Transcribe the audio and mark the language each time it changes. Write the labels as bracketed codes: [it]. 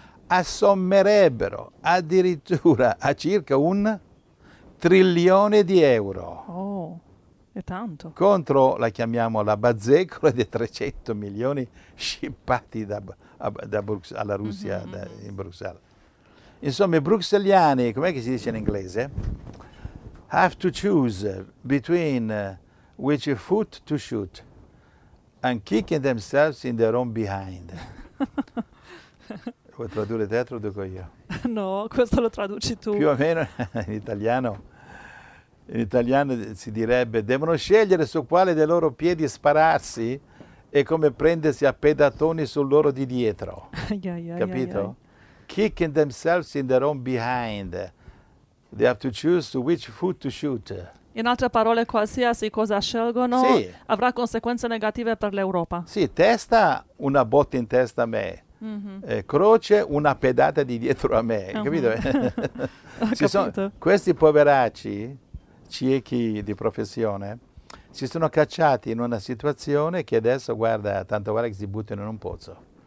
[it] Assommerebbero addirittura a circa un trilione di euro. Oh, È tanto. Contro, la chiamiamo, la bazzecola dei 300 milioni scippati alla Russia, in Bruxelles. Insomma, i bruxelliani, com'è che si dice in inglese? [en] Have to choose between which foot to shoot and kicking themselves in their own behind. [it] Vuoi tradurre te, lo dico io? No, questo lo traduci tu. Più o meno in italiano si direbbe devono scegliere su quale dei loro piedi spararsi e come prendersi a pedatoni sul loro di dietro. Capito? [en] Kicking themselves in their own behind. They have to choose to which foot to shoot. [it] In altre parole, qualsiasi cosa scelgono sì. avrà conseguenze negative per l'Europa. Sì, testa, una botta in testa a me. Croce, una pedata di dietro a me. Capito? Ci sono questi poveracci, ciechi di professione, si sono cacciati in una situazione che adesso, guarda, tanto vale che si buttino in un pozzo.